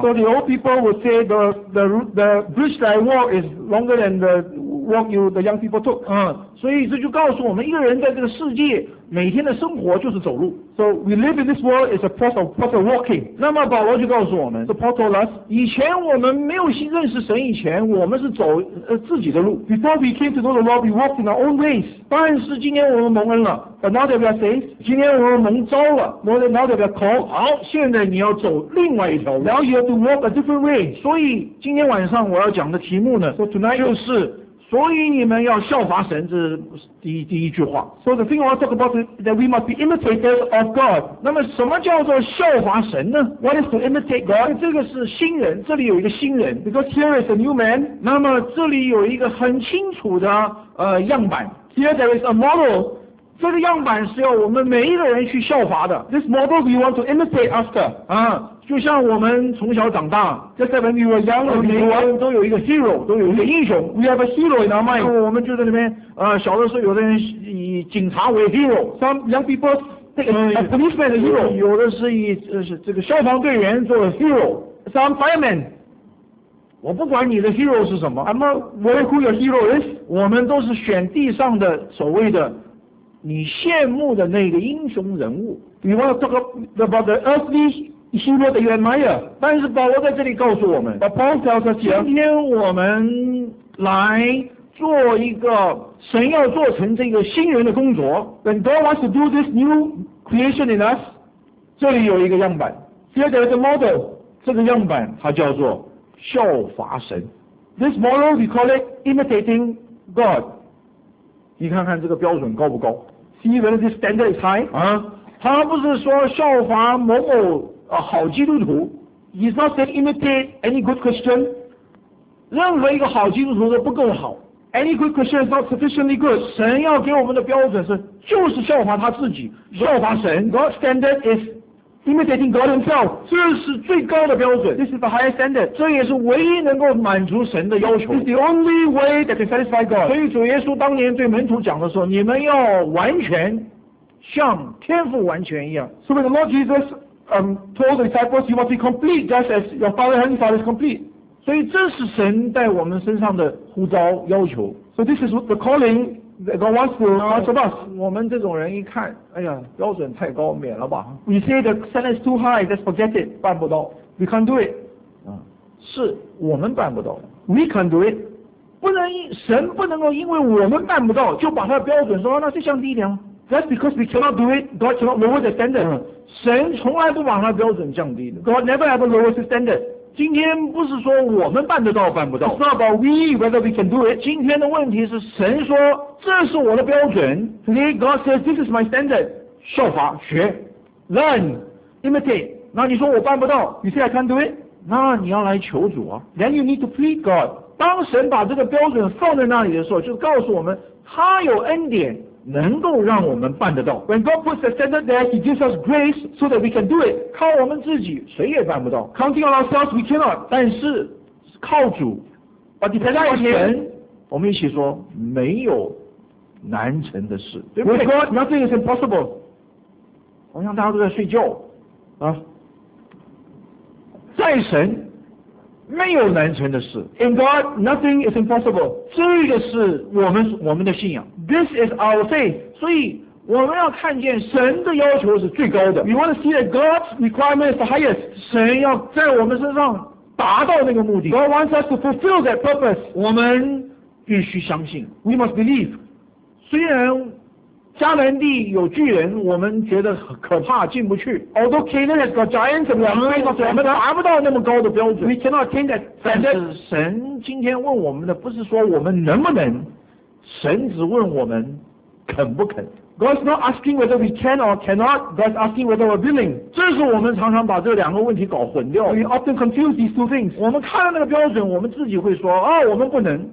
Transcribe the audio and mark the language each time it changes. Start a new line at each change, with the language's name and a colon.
English: So the old people would say the bridge that I walk is longer than the walk the young people took.
Chinese: 所以这就告诉我们，一个人在这个世界每天的生活就是走路。
English: So we live in this world is a process of walking.
Chinese: 那么保罗就告诉我们
English: ，So Paul told us，
Chinese: 以前我们没有认识神以前，我们是走自己的路。
English: Before we came to know the Lord, we walked in our own ways.
Chinese: 但是今天我们蒙恩了
English: ，But now that we are saved，
Chinese: 今天我们蒙召了
English: ，Now that we are called，
Chinese: 好，现在你要走另外一条路。
English: Now you have to walk a different way.
Chinese: 所以今天晚上我要讲的题目呢
English: ，So tonight
Chinese: 就是。所以你们要效法神，这是第一句话。
English: So the thing I want to talk about is that we must be imitators of God.
Chinese: 那么什么叫做效法神呢
English: ？What is to imitate God?
Chinese: 这个是新人，这里有一个新人。
English: Because here is a new man.
Chinese: 那么这里有一个很清楚的样板。
English: Here there is a model.
Chinese: 这个样板是要我们每一个人去效法的。
English: This model we want to imitate after.
Chinese: 就像我们从小长大
English: ，just like when we were young,
Chinese: 我们都有一个 hero， 都有一个英雄。
English: We have a hero in our mind。
Chinese: 我们就在里面，小的时候有的人以警察为 hero，
English: some young people take a policeman as hero，
Chinese: 有的是以这个消防队员做 hero，
English: some firemen。
Chinese: 我不管你的 hero 是什么
English: ，I'm not worry who your hero is。
Chinese: 我们都是选地上的所谓的你羡慕的那个英雄人物。
English: You want to talk about the earthly hero that you admire.
Chinese: 但是保罗在这里告诉我们
English: ，But Paul tells us here,
Chinese: 今天我们来做一个神要做成这个新人的工作。
English: When God wants to do this new creation in us,
Chinese: 这里有一个样板
English: ，Here there is a model.
Chinese: 这个样板它叫做效法神。
English: This model we call it imitating God.
Chinese: 你看看这个标准高不高
English: ？See whether this standard is high.
Chinese: 他不是说效法某某。好基督徒
English: He's not saying imitate any good Christian
Chinese: 任何一个好基督徒都不够好
English: Any good Christian is not sufficiently good
Chinese: 神要给我们的标准是就是效法他自己效法神
English: God's standard is imitating God himself
Chinese: 这是最高的标准
English: This is the highest standard
Chinese: 这也是唯一能够满足神的要求
English: It's the only way that can satisfy God
Chinese: 所以主耶稣当年对门徒讲的时候你们要完全像天父完全一样
English: So when the Lord JesusTold the disciples, you must be complete just as your Father, Heavenly Father is complete.
Chinese: 所以这是神在我们身上的呼召要求。
English: So this is the calling that God wants to ask of us.
Chinese: 我们这种人一看，哎呀，标准太高，免了吧。
English: We say the standard is too high, just forget it.
Chinese: 办不到。
English: We can't do it.
Chinese: 是我们办不到。
English: We can't do it.
Chinese: 不能，神不能够因为我们办不到，就把他的标准说，那就降低一点吗？
English: That's because we cannot do it, God cannot lower the standard.
Chinese: 神从来不把他的标准降低的
English: God never ever lowers his standard
Chinese: 今天不是说我们办得到办不到。
English: It's not about we, whether we can do it.
Chinese: 今天的问题是神说这是我的标准。
English: Today God says this is my standard.
Chinese: 效法学。
English: Learn. Imitate.
Chinese: 那你说我办不到。
English: You say I can't do it?
Chinese: 那你要来求主啊。
English: Then you need to plead God.
Chinese: 当神把这个标准放在那里的时候就告诉我们他有恩典。能够让我们办得到。
English: When God puts the standard there, He gives us grace so that we can do it.
Chinese: 靠我们自己，谁也办不到。
English: Counting on ourselves, we cannot.
Chinese: 但是靠主，把你带到神，我们一起说，没有难成的事。
English: With God, nothing is impossible.
Chinese: 好像大家都在睡觉啊，在神没有难成的事。
English: In God, nothing is impossible.
Chinese: 这个是我们的信仰。
English: This is our faith.
Chinese: 所以我们要看见神的要求是最高的。
English: We want to see that God's requirement is the highest.
Chinese: 神要在我们身上达到那个目的。
English: God wants us to fulfill that purpose.
Chinese: 我们必须相信。
English: We must believe.
Chinese: 虽然迦南地有巨人，我们觉得很可怕，进不去。
English: Although Canaan has got giants, we are not able to attain that standard. We cannot attain that standard. 但是神今天问我们的不是说我们能不能，神只问我们肯不肯。 God is not asking whether we can or cannot. God is asking whether we're willing.
Chinese: 这是我们常常把这两个问题搞混掉。
English: We often confuse these two things.
Chinese: 我们看到那个标准，我们自己会说啊，我们不能。